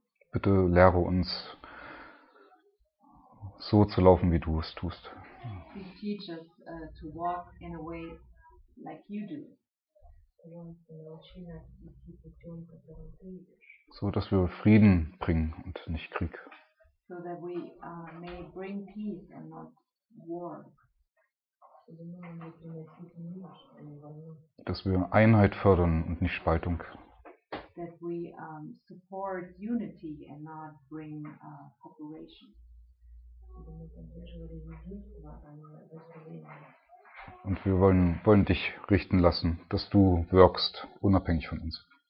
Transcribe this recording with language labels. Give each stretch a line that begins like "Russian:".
German: Bitte lehre uns, so zu laufen, wie du es tust.
English: Teach us to walk in a way like you do.
German: So dass wir Frieden bringen und nicht Krieg.
English: So that we may bring peace and not war.
German: Dass wir Einheit fördern und nicht Spaltung.
English: That we support unity and not bring cooperation.
German: Und wir wollen dich richten lassen, dass du wirkst, unabhängig von uns.